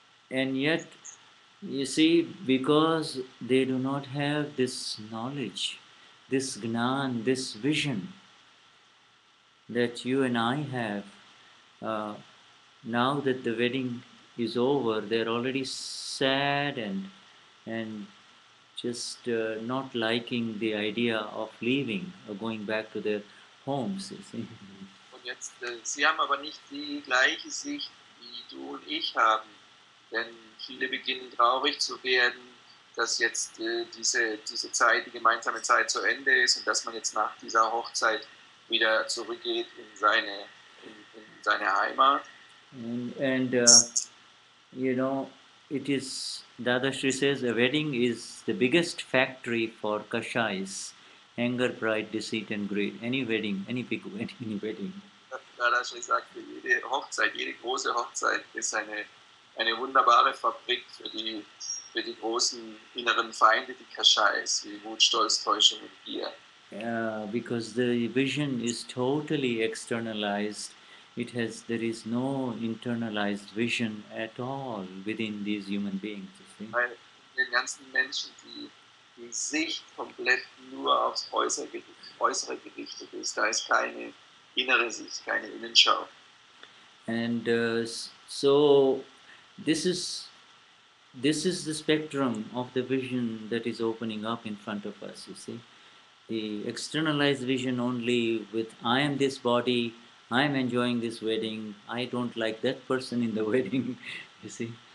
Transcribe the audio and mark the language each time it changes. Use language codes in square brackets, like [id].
[en] And yet, you see, because they do not have this knowledge, this gnan, this vision that you and I have, now that the wedding is over, they're already sad and just not liking the idea of leaving or going back to their homes, you see. [de] Und jetzt, sie haben aber nicht die gleiche Sicht, wie du und ich haben, denn viele beginnen traurig zu werden, dass jetzt diese Zeit, die gemeinsame Zeit zu Ende ist und dass man jetzt nach dieser Hochzeit wieder zurückgeht in seine Heimat. [en] It is, Dadashri says, a wedding is the biggest factory for kashais, anger, pride, deceit and greed. Any wedding, any big wedding, any wedding. [de] Dadashri sagt, jede Hochzeit, jede große Hochzeit ist eine wunderbare Fabrik für die großen inneren Feinde, die kashais, wie Wut, Stolz, Täuschung und Gier. [en] Because the vision is totally externalized. There is no internalized vision at all within these human beings, you see. [de] Den ganzen Menschen, die Sicht komplett nur aufs Äußere gerichtet ist, da ist keine innere Sicht, keine Innenschau. [en] And so this is this is the spectrum of the vision that is opening up in front of us, you see. The externalized vision only with I am this body, I am enjoying this wedding, I don't like that person in the wedding, you see.